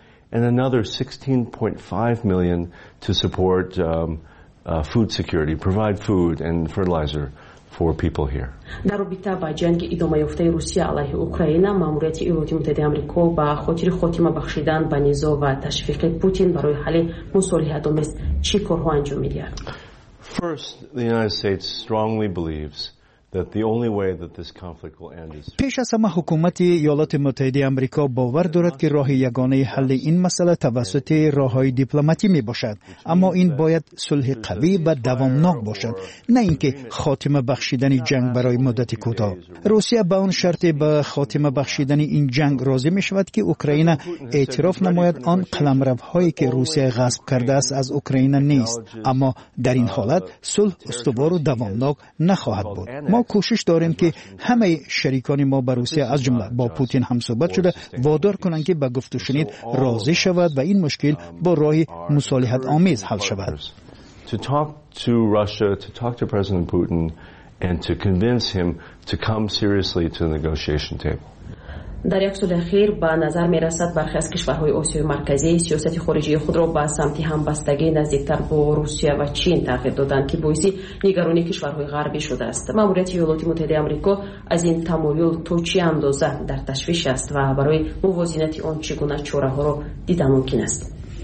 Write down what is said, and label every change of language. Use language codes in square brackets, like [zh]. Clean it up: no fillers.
[en] And another 16.5 million to support food security, provide food and fertilizer for people here. [fa] در رابطه با جنگ ادامه یافته روسیه علیه اوکراین، ماموریت ایالات متحده آمریکا با خاطر خاتمه بخشیدن به نزاع و تشویق پوتین برای حل مصالحه‌آمیز چی کارها انجام می‌دهد؟ [en] First, the United States strongly believes that the only way that this conflict will end is [fa] پیش از همه حکومت ایالات متحده آمریکا باور دارد که راه یگانه حل این مسئله توسط راه‌های دیپلماتی میباشد، اما این باید صلح قوی و دوامناک باشد، نه اینکه خاتمه بخشیدن جنگ برای مدت کوتاه. روسیه به آن شرط به خاتمه بخشیدن این جنگ راضی میشود که اوکراین اعتراف نماید آن قلمروهایی که روسیه غصب کرده است از اوکراین نیست، اما در این حالت صلح استوار و دوامناک نخواهد بود. ما کوشش داریم که همه شریکان ما به روسیه از جمله با پوتین هم صحبت شده وادار کنند که به گفت و شنید راضی شود و این مشکل با راه مصالحت آمیز حل شود. [en] To talk to Russia, to talk to President Putin and to convince him to come seriously to the negotiation table. [fa] در یک سال اخیر به نظر می رسد برخی از کشورهای آسیای مرکزی سیاست خارجی خود را به سمت همبستگی نزدیکتر با روسیه و چین تغییر دادند که باعث نگرانی کشورهای غربی شده است. ماموریت ایالات متحده آمریکا از این تمایل تا چه اندازه در تشویش است و برای موازنت آن چگونه چاره ها را دیده ممکن است؟